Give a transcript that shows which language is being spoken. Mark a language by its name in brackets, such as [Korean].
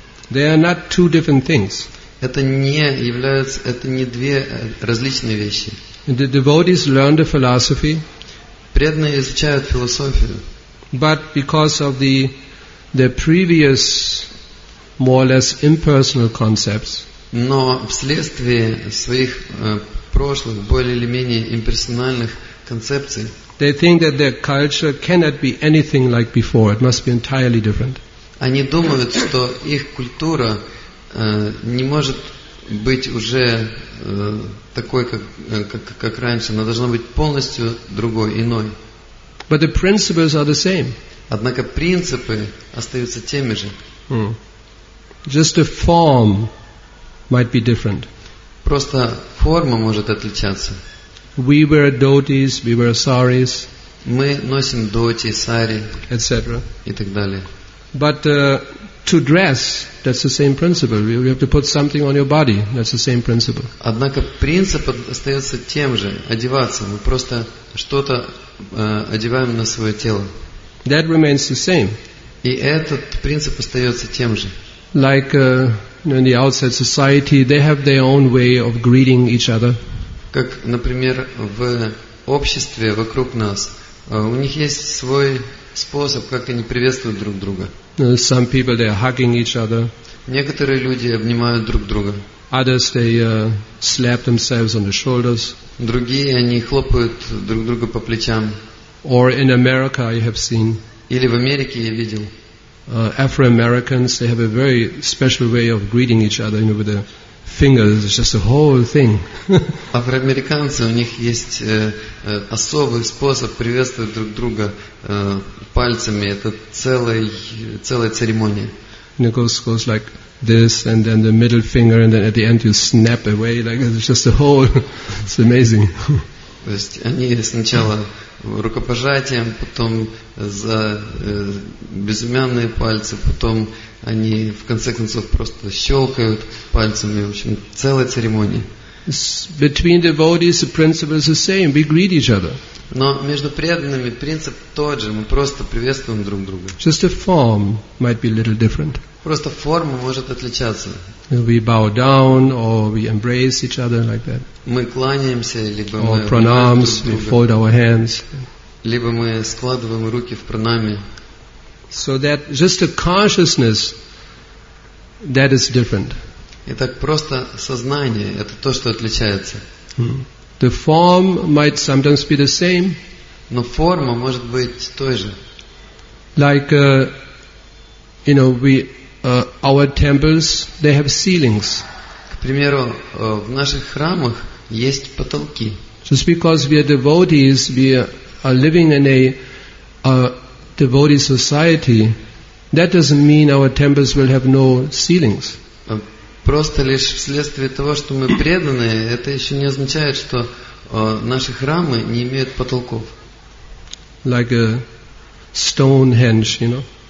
[English] They are not two different things. [Russian] Это не являются, это не две различные вещи. [English] The devotees learn the philosophy. [Russian] Преданные изучают философию. [English] But because of the previous more or less impersonal concepts. [Russian] Но вследствие своих прошлых более или менее имперсональных концепций. [English] They think that their culture cannot be anything like before. It must be entirely different. [Russian] Они думают, что их культура не может быть уже такой, как раньше. Она должна быть полностью другой, иной. [English] But the principles are the same. [Russian] Однако принципы остаются теми же. [English] Just the form might be different. [Russian] Просто форма может отличаться. [English] We wear dhotis, we wear saris. [Russian] Мы носим доти, сари, [English] etc. [Russian] И так далее. [English] But to dress, that's the same principle. You have to put something on your body, that's the same principle. [Russian] Однако принцип остается тем же, одеваться. Мы просто что-то одеваем на свое тело. [English] That remains the same. [Russian] И этот принцип остается тем же. [English] Like in the outside society, they have their own way of greeting each other. [Russian] Как, например, в обществе вокруг нас, у них есть свой способ, как они приветствуют друг друга. [English] Some people they are hugging each other. [Russian] Некоторые люди обнимают друг друга. [English] Others they slap themselves on the shoulders. [Russian] Другие они хлопают друг друга по плечам. [English] Or in America I have seen. [Russian] Или в Америке я видел. [English] Afro-Americans they have a very special way of greeting each other, you know, with their fingers. It's just a whole thing. [Russian] Афроамериканцы у них есть особый способ приветствовать друг друга пальцами. Это целая церемония. [English] And it goes like this, and then the middle finger, and then at the end you snap away. Like it's just a whole. It's amazing. [Russian] То есть они сначала рукопожатием, потом за безымянные пальцы, потом они в конце концов просто щелкают пальцами. В общем, целая церемония. [English] Between devotees, the principle is the same. We greet each other. [Russian] Но между преданными принцип тот же. Мы просто приветствуем друг друга. [English] Just the form might be a little different. [Russian] Просто форма может отличаться. [English] We bow down or we embrace each other like that. [Russian] Мы кланяемся, либо [English] or [Russian] мы [English] pranams, [Russian] друг друга. [English] We fold our hands. [Russian] Либо мы складываем руки в пранаме. [English] So that just the consciousness that is different. [Russian] Итак, просто сознание это то, что отличается. [English] The form might sometimes be the same. [Russian] Но форма может быть той же. [English] Like you know, we our temples they have ceilings. [Russian] К примеру, в наших храмах есть потолки. [English] Just because we are devotees, we are living in a devotee society, that doesn't mean our temples will have no ceilings. [Russian] Просто лишь вследствие того, что мы преданные, это еще не означает, что наши храмы не имеют потолков. [English] Like a Stonehenge, you know.